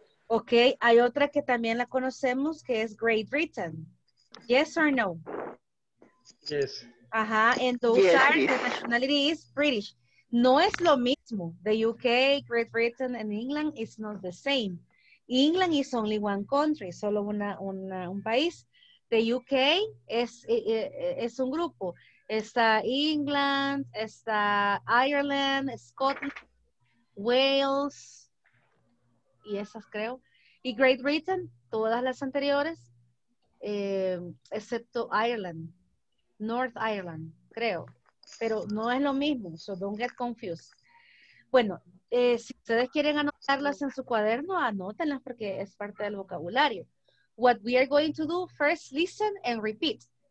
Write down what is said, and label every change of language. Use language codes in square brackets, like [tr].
[es] Okay, hay otra que también la conocemos, que es Great Britain. [en] Yes or no? Yes. Ajá, entonces, yes, yes. The nationality is British. [es] No es lo mismo. [en] The UK, Great Britain, and England is not the same. England is only one country, [es] solo un país. The UK es un grupo. Está England, está Ireland, Scotland, Wales, y esas creo. Y Great Britain, todas las anteriores, excepto Ireland, North Ireland, creo. Pero no es lo mismo, [en] so don't get confused. [es] Bueno, si ustedes quieren anotarlas en su cuaderno, anótenlas porque es parte del vocabulario. [en] What we are going to do, first listen and repeat.